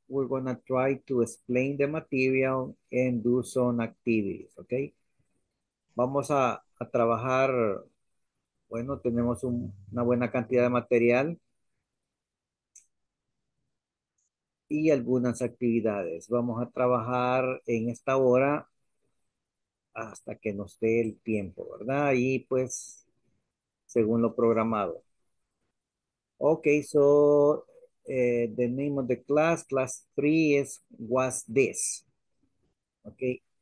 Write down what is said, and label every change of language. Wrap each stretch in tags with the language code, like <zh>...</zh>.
<en>We're going to try to explain the material and do some activities, okay?</en> <es>Vamos a trabajar. Bueno, tenemos una buena cantidad de material y algunas actividades. Vamos a trabajar en esta hora hasta que nos dé el tiempo, ¿verdad? Y pues, según lo programado.</es> <en>Okay, so the name of the class 3 is What's This? Okay.</en>